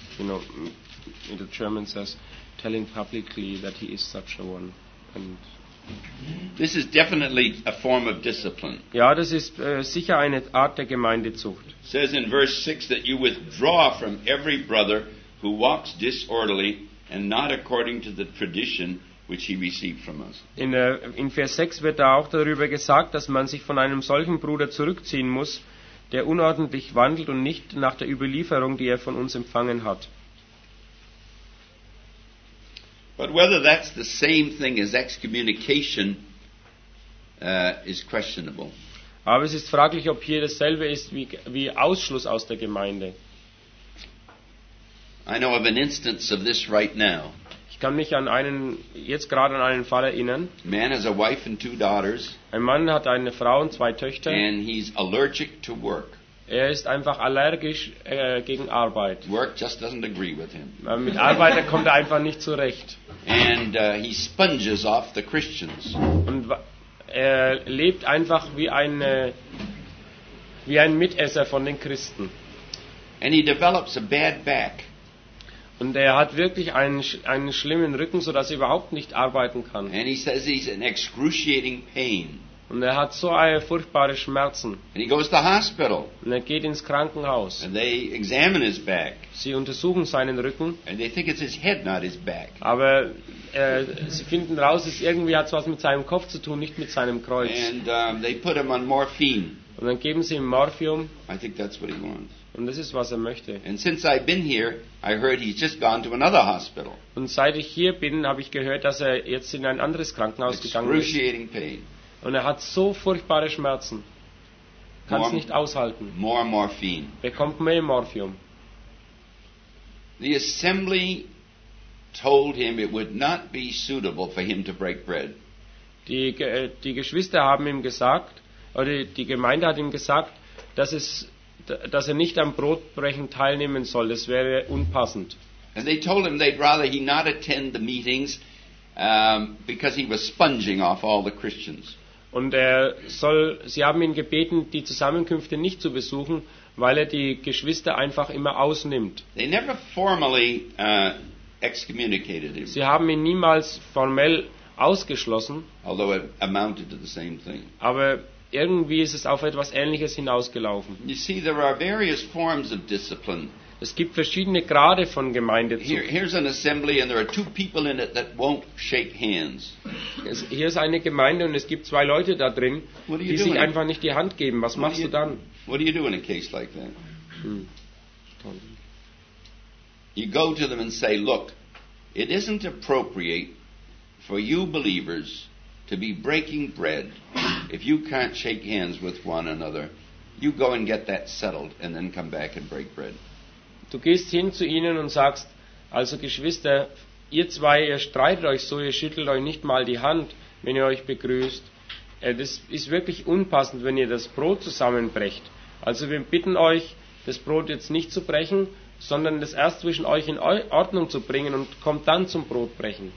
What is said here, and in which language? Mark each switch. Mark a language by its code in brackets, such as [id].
[en] You know, in the German says, telling publicly that he is such a one. And this is definitely a form of discipline. [de] Ja, das ist sicher eine Art der Gemeindezucht. [en] It says in verse 6 that you withdraw from every brother who walks disorderly and not according to the tradition which he received from us. [de] In Vers 6 wird da auch darüber gesagt, dass man sich von einem solchen Bruder zurückziehen muss, der unordentlich wandelt und nicht nach der Überlieferung, die er von uns empfangen hat. [en] But whether that's the same thing as excommunication is questionable. [de] Aber es ist fraglich, ob hier dasselbe ist wie Ausschluss aus der Gemeinde. [en] I know of an instance of this right now. [de] Ich kann mich jetzt gerade an einen Fall erinnern. [en] Man has a wife and two daughters. [de] Ein Mann hat eine Frau und zwei Töchter. [en] And he's allergic to work. [de] Er ist einfach allergisch gegen Arbeit. [en] Work just doesn't agree with him. [de] Mit Arbeit kommt er einfach nicht zurecht. [en] And he sponges off the Christians. [de] Und er lebt einfach wie ein Mitesser von den Christen. [en] And he develops a bad back. [de] Und er hat wirklich einen schlimmen Rücken, so dass er überhaupt nicht arbeiten kann. [en] And he says he's in excruciating pain. [de] Und er hat so eine furchtbare Schmerzen. [en] And he goes to the hospital. [de] Und er geht ins Krankenhaus. [en] And they examine his back. [de] Sie untersuchen seinen Rücken. [en] And they think it's his head, not his back. [de] Aber sie finden raus, es irgendwie hat was mit seinem Kopf zu tun, nicht mit seinem Kreuz. [en] And they put him on morphine. [de] Und dann geben sie ihm Morphium. [en] I think that's what he wants. [de] Und das ist, was er möchte. [en] And since I've been here, I heard he's just gone to another hospital. [de] Und seit ich hier bin, habe ich gehört, dass er jetzt in ein anderes Krankenhaus gegangen ist. [en] Excruciating pain. [de] Und er hat so furchtbare Schmerzen. Kann es nicht aushalten. [en] More morphine. [de] Bekommt mehr Morphium. [en] The assembly told him it would not be suitable for him to break bread. [de] Die Geschwister haben ihm gesagt, oder die Gemeinde hat ihm gesagt, dass er nicht am Brotbrechen teilnehmen soll. Das wäre unpassend. [en] And they told him they'd rather he not attend the meetings because he was sponging off all the Christians. [de] Und sie haben ihn gebeten, die Zusammenkünfte nicht zu besuchen, weil er die Geschwister einfach immer ausnimmt. [en] They never formally excommunicated him. [de] Sie haben ihn niemals formell ausgeschlossen. [en] Although it amounted to the same thing. [de] Aber irgendwie ist es auf etwas Ähnliches hinausgelaufen. [en] You see, there are various forms of discipline. [de] Es gibt verschiedene Grade von Gemeindezucht. [en] Here's an assembly and there are two people in it that won't shake hands. [de] Hier ist eine Gemeinde und es gibt zwei Leute da drin, die [en] doing? [de] Sich einfach nicht die Hand geben. Was machst du dann? [en] What do you do in a case like that? You go to them and say, look, it isn't appropriate for you believers to be breaking bread if you can't shake hands with one another. You go and get that settled and then come back and break bread. [de] Du gehst hin zu ihnen und sagst, also Geschwister, ihr zwei, ihr streitet euch so, ihr schüttelt euch nicht mal die Hand, wenn ihr euch begrüßt. Das ist wirklich unpassend, wenn ihr das Brot zusammenbrecht. Also wir bitten euch, das Brot jetzt nicht zu brechen, sondern das erst zwischen euch in Ordnung zu bringen und kommt dann zum Brotbrechen.